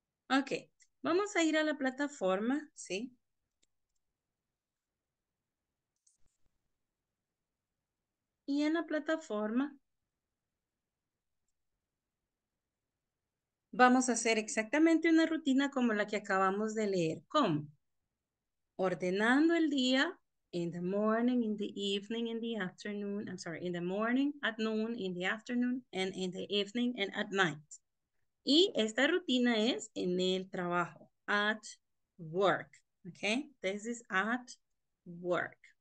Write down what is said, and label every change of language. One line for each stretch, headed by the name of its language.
Spanish: Ok, vamos a ir a la plataforma, ¿sí? Y en la plataforma vamos a hacer exactamente una rutina como la que acabamos de leer. ¿Cómo? Ordenando el día,
English: in the morning, in the evening, in the afternoon, I'm sorry, in the morning, at noon, in the afternoon, and in the evening, and at night.
Spanish: Y esta rutina es en el trabajo,
English: at work,
Spanish: okay?
English: This is at work.